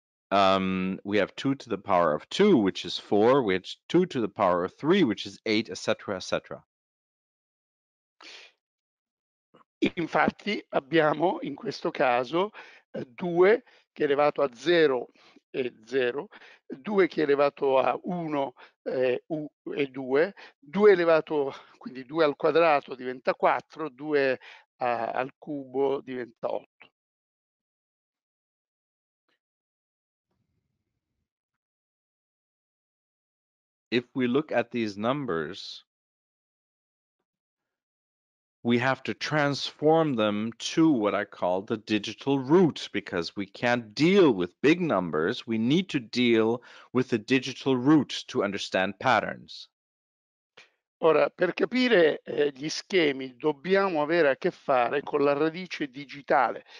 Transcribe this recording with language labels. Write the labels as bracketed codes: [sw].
[en] We have 2 to the power of 2, which is 4. We have 2 to the power of 3, which is 8, etc., etc. [it] Infatti abbiamo in questo caso 2 che elevato a 0 è 0, 2 che elevato a 1 è 2, 2 elevato, quindi 2 al quadrato diventa 4, 2 al cubo diventa 8. [en] If we look at these numbers, we have to transform them to what I call the digital root, because we can't deal with big numbers. We need to deal with the digital root to understand patterns. [it] Ora, per capire gli schemi, dobbiamo avere a che fare con la radice digitale.